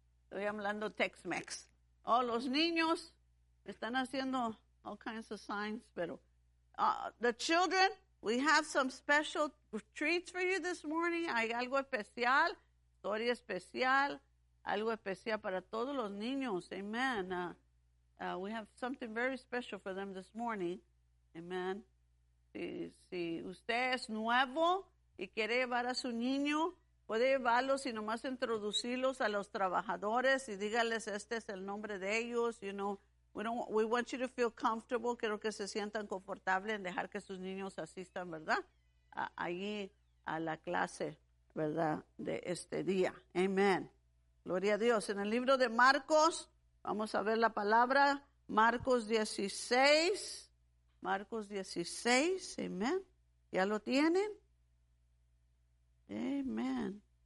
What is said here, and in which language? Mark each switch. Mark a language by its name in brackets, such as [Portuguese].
[Spanish] Estoy hablando Tex-Mex. Oh, los niños están haciendo [English] all kinds of signs, [Spanish] pero [English] the children, we have some special treats for you this morning. [Spanish] Hay algo especial, historia especial, algo especial para todos los niños. Amen. [English] We have something very special for them this morning. Amen. [Spanish] Si usted es nuevo y quiere llevar a su niño, puede llevarlos y nomás introducirlos a los trabajadores y dígales este es el nombre de ellos. [English] You know, we want you to feel comfortable. [Spanish] Quiero que se sientan confortables en dejar que sus niños asistan, ¿verdad? Allí a la clase, ¿verdad? De este día. Amen. Gloria a Dios. En el libro de Marcos, vamos a ver la palabra. Marcos 16. Marcos 16. Amen. ¿Ya lo tienen? Amén.